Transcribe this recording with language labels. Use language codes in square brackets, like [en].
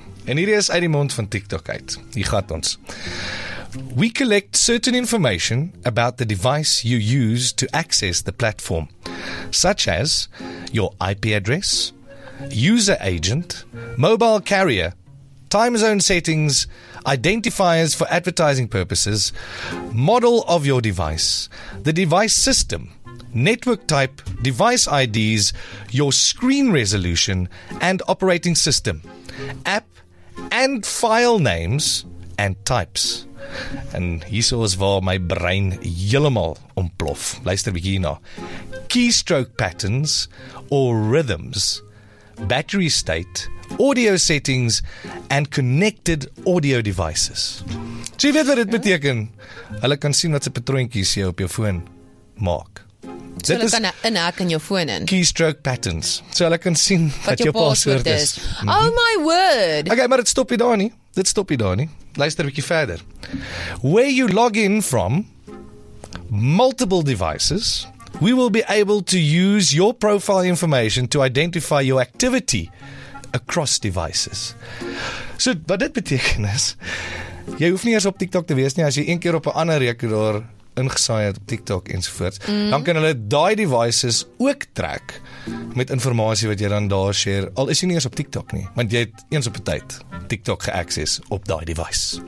[af] En hierdie is uit die mond van TikTok uit. Hier gaat ons. [en] We collect certain information about the device you use to access the platform, such as your IP address, user agent, mobile carrier, time zone settings, identifiers for advertising purposes, model of your device, the device system, network type, device IDs, your screen resolution and operating system, app and file names and types. [af] En hierso is waar my brein heeltemal ontplof. Luister bietjie hierna. [en] Keystroke patterns or rhythms, battery state, audio settings and connected audio devices. [af] So jy weet wat dit beteken. Hulle kan sien wat se patroontjies jy op jou foon maak. dit hulle is, kan inhak in jou foon in. [en] Keystroke patterns. [af] So hulle kan sien wat jou paswoord is. [en] Oh my word. [af] Okay, maar dit stop jy daar nie. Dit stop jy daar nie. Luister 'n bietjie verder. [en] Where you log in from multiple devices, we will be able to use your profile information to identify your activity across devices. [af] So, wat dit beteken is, jy hoef nie eers op TikTok te wees nie, as jy een keer op 'n ander rekenaar ingesaai het op TikTok ensovoorts, dan kan hulle daai devices ook track met informatie wat jy dan daar share, al is jy nie eers op TikTok nie, want jy het eens op 'n tyd TikTok geaccess op daai device.